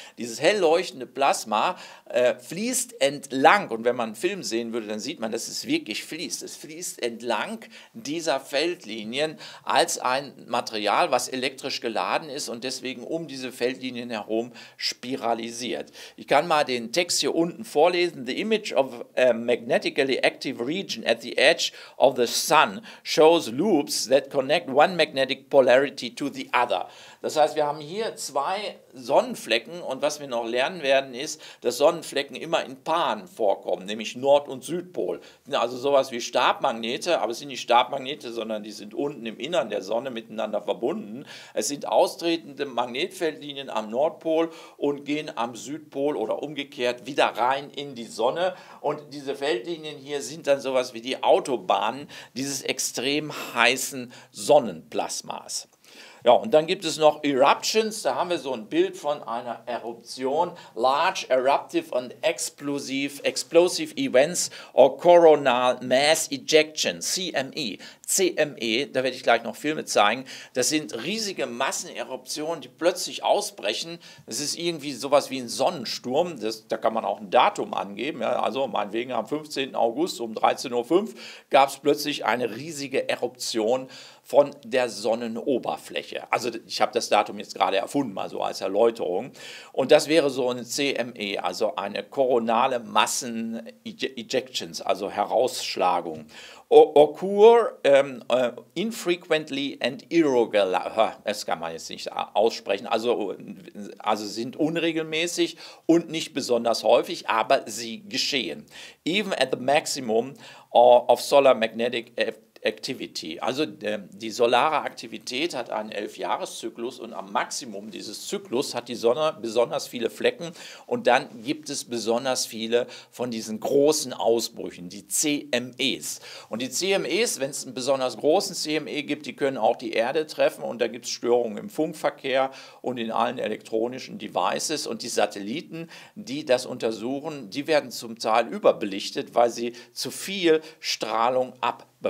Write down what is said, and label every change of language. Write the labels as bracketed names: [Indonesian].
[German] Dieses hellleuchtende Plasma fließt entlang, und wenn man einen Film sehen würde, dann sieht man, dass es wirklich fließt. Es fließt entlang dieser Feldlinien als ein Material, was elektrisch geladen ist und deswegen um diese Feldlinien herum spiralisiert. Ich kann mal den Text hier unten vorlesen. [English] The image of a magnetically active region at the edge of the sun shows loops that connect one magnetic polarity to the other. [German] Das heißt, wir haben hier zwei Sonnenflecken, und was wir noch lernen werden ist, dass Sonnenflecken immer in Paaren vorkommen, nämlich Nord- und Südpol. Also sowas wie Stabmagnete, aber es sind nicht Stabmagnete, sondern die sind unten im Innern der Sonne miteinander verbunden. Es sind austretende Magnetfeldlinien am Nordpol und gehen am Südpol oder umgekehrt wieder rein in die Sonne. Und diese Feldlinien hier sind dann sowas wie die Autobahnen dieses extrem heißen Sonnenplasmas. Ja, und dann gibt es noch Eruptions, da haben wir so ein Bild von einer Eruption. [English] Large Eruptive and Explosive Events or Coronal Mass Ejection, CME. [German] CME, da werde ich gleich noch Filme zeigen, das sind riesige Masseneruptionen, die plötzlich ausbrechen. Es ist irgendwie sowas wie ein Sonnensturm, da kann man auch ein Datum angeben. Ja, also meinetwegen am 15. August um 13.05 Uhr gab es plötzlich eine riesige Eruption von der Sonnenoberfläche. Also ich habe das Datum jetzt gerade erfunden, mal so als Erläuterung. Und das wäre so eine CME, also eine koronale Massen-Ejections, also Herausschlagung. [English] Occur infrequently and irregular, [German] das kann man jetzt nicht aussprechen, also sind unregelmäßig und nicht besonders häufig, aber sie geschehen. [English] Even at the maximum of solar magnetic activity. [German] Also die solare Aktivität hat einen 11-Jahres-Zyklus, und am Maximum dieses Zyklus hat die Sonne besonders viele Flecken, und dann gibt es besonders viele von diesen großen Ausbrüchen, die CMEs. Und die CMEs, wenn es einen besonders großen CME gibt, die können auch die Erde treffen, und da gibt es Störungen im Funkverkehr und in allen elektronischen Devices, und die Satelliten, die das untersuchen, die werden zum Teil überbelichtet, weil sie zu viel Strahlung abbekommen.